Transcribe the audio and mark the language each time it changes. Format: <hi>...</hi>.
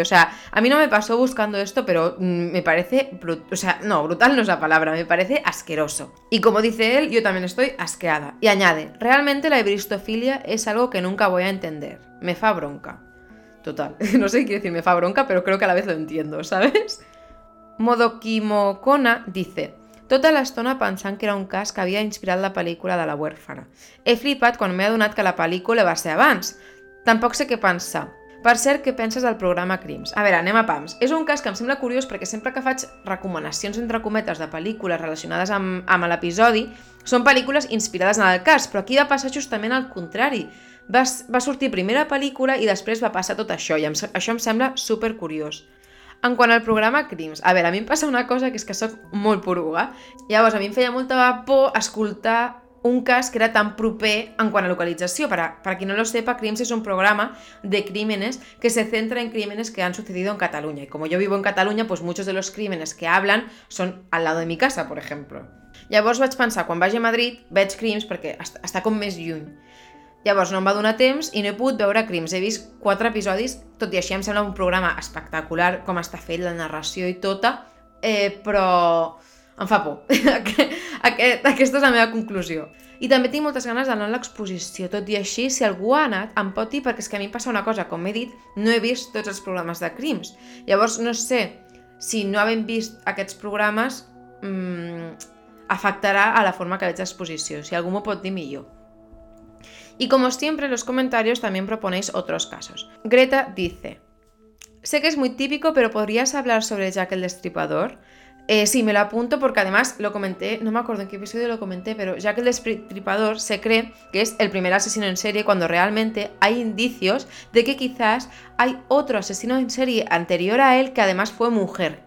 <es>O sea, a mí no me pasó buscando esto, pero me parece brutal no es la palabra, me parece asqueroso. Y como dice él, yo también estoy asqueada. Y añade, realmente la hebristofilia es algo que nunca voy a entender.</es> <ca>Me fa bronca.</ca> <es>Total, no sé qué quiere decir</es> <ca>me fa bronca,</ca> <es>pero creo que a la vez lo entiendo, ¿sabes?</es> <ca>Modokimokona dice, tota l'estona pensant que era un cas que havia inspirat la pel·lícula de la huérfana. He flipat quan m'he adonat que la pel·lícula va ser abans. Tampoc sé què pensar. Per cert, què penses del programa Crims? A veure, anem a pams. És un cas que em sembla curiós perquè sempre que faig recomanacions entre cometes de pel·lícules relacionades amb l'episodi, són pel·lícules inspirades en el cas, però aquí va passar justament al contrari. Va sortir primera pel·lícula i després va passar tot això, i això em sembla supercuriós. En quant al programa Crims, a veure, a mi em passa una cosa que és que sóc molt poruga. Llavors, a mi em feia molta por escoltar un cas que era tan proper en quant a localització. Per a qui</ca> <es>no lo sepa, Crims és un programa de crímenes que se centra en crímenes que han sucedido en Cataluña.</es> <ca>I com jo</ca> <es>vivo en Cataluña, pues muchos de los crímenes que hablan són al lado de mi casa, por ejemplo.</es> <ca>Llavors vaig pensar, quan vaig a Madrid, veig Crims perquè està com més lluny. Llavors no em va donar temps i no he pogut veure Crims. He vist 4 episodis, tot i així em sembla un programa espectacular, com està fet la narració i tota, però em fa por. Aquesta és la meva conclusió. I també tinc moltes ganes d'anar a l'exposició, tot i així, si algú ha anat, em pot dir, perquè és que a mi em passa una cosa, com he dit, no he vist tots els programes de Crims. Llavors, no sé si no havent vist aquests programes afectarà a la forma que veig l'exposició, si algú m'ho pot dir millor.</ca> <es>Y como siempre, en los comentarios también proponéis otros casos. Greta dice, sé que es muy típico, pero ¿podrías hablar sobre Jack el Destripador? Sí, me lo apunto porque además lo comenté, no me acuerdo en qué episodio lo comenté, pero Jack el Destripador se cree que es el primer asesino en serie cuando realmente hay indicios de que quizás hay otro asesino en serie anterior a él que además fue mujer.</es>